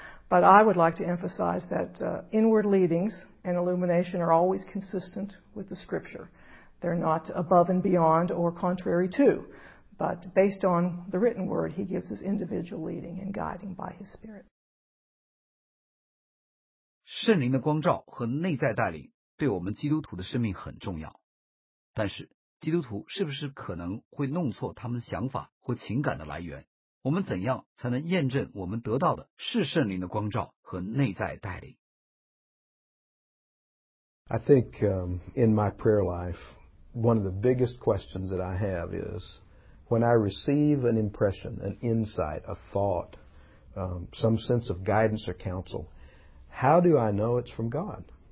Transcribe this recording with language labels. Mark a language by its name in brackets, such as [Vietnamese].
[English] But I would like to emphasize that inward leadings and illumination are always consistent with the Scripture. They're not above and beyond or contrary to, but based on the written word, he gives us individual leading and guiding by his Spirit. [Chinese] 圣灵的光照和内在带领对我们基督徒的生命很重要，但是基督徒是不是可能会弄错他们想法或情感的来源？我们怎样才能验证我们得到的是圣灵的光照和内在带领？ [English] I think in my prayer life, one of the biggest questions that I have is when I receive an impression, an insight, a thought, some sense of guidance or counsel, how do I know it's from God?